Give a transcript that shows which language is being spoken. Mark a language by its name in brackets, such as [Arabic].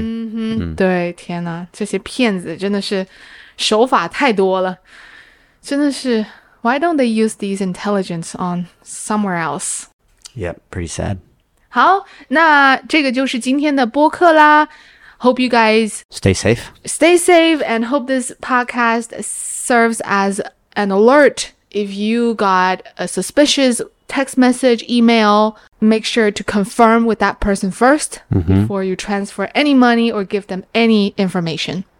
[Chinese] 嗯哼，对，天哪，这些骗子真的是手法太多了，真的是。 [English] Why don't they use these intelligence on somewhere else? Yep, pretty sad. [Chinese] 好，那这个就是今天的播客啦。 [English] Hope you guys stay safe. Stay safe, and hope this podcast serves as an alert if you got a suspicious text message, email, make sure to confirm with that person first、 mm-hmm. before you transfer any money or give them any information.